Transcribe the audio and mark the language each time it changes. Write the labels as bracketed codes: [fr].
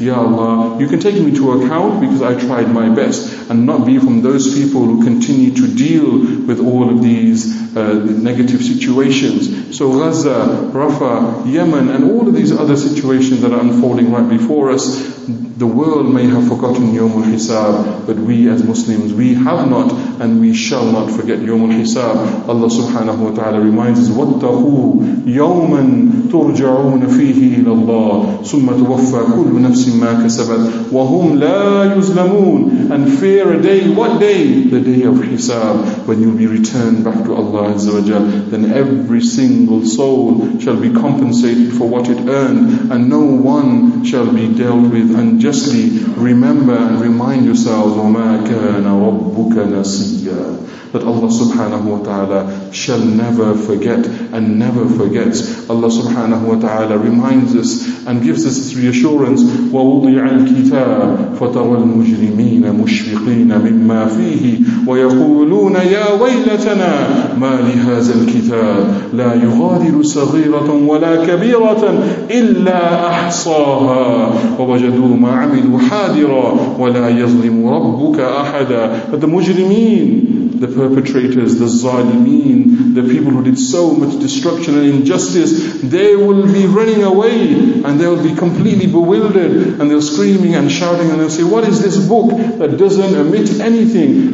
[en] Ya Allah, you can take me to account because I tried my best, and not be from those people who continue to deal with all of these negative situations. So Gaza, Rafah, Yemen, and all of these other situations that are unfolding right before us, the world may have forgotten Yawmul Hisab, but we as Muslims, we have not and we shall not forget Yawmul Hisab. Allah subhanahu wa ta'ala reminds us, [ar] وَاتَّقُوا يَوْمًا تُرْجَعُونَ فِيهِ إِلَى اللَّهِ ثُمَّ تُوَفَّى كُلُّ نَفْسٍ مَا كَسَبَتْ وَهُمْ لَا يُزْلَمُونَ, [en] and fear a day, what day? The day of Hisab, when you'll be returned back to Allah Azza wa Jal, then every single soul shall be compensated for what it earned, and no one shall be dealt with unjustly. Remember and remind yourselves, [ar] وَمَا كَانَ رَبُّكَ نَسِيًّا. [en] that Allah subhanahu wa ta'ala shall never forget and never forgets. Allah subhanahu wa ta'ala reminds us and gives us this reassurance, [ar] وَوُضِعَ الْكِتَابِ فَتَرَى الْمُجْرِمِينَ مُشْفِقِينَ مِمَّا فِيهِ وَيَقُولُونَ يَا وَيْلَتَنَا مَا لِهَذَا الْكِتَابِ لَا يُغَادِرُ صَغِيرَةً وَلَا كَبِيرَةً إِلَّا أَحْصَاهَا وَوَجَدُوا مَا عَمِلُوا حَادِرًا وَلَا يَظْلِمُ رَبُّكَ أَحَدًا. [en] But the mujrimeen, the perpetrators, the zalimeen, the people who did so much destruction and injustice, they will be running away and they will be completely bewildered and they'll screaming and shouting and they'll say, what is this book that doesn't omit anything?